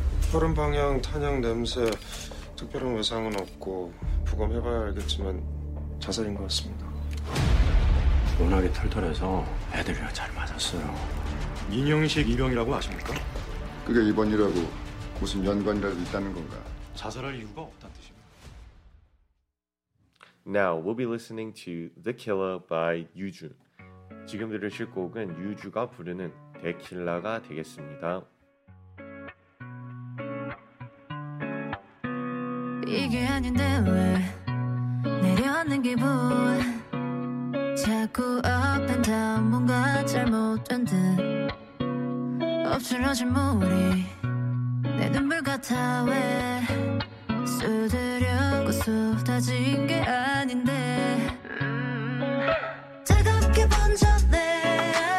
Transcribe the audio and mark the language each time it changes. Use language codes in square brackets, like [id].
[ko] 푸른 방향 탄향 냄새 특별한 외상은 없고 부검해봐야 알겠지만 자살인 것 같습니다. 워낙에 털털해서 애들이랑 잘 맞았어요. 민영식 이병이라고 아십니까? 그게 이번 일하고 무슨 연관이라도 있다는 건가? 자살할 이유가 없다. [en] Now we'll be listening to The Killer by Yuju. [ko] 지금 들으실 곡은 유주가 부르는 데킬라가 되겠습니다. 이게 아닌데 왜 내려앉는 기분 자꾸 [en] up and down [ko] 뭔가 잘못된 듯 엎질러진 물이 내 눈물 같아 왜 쏟으려고 쏟아진 게 아닌데 차갑게 번졌네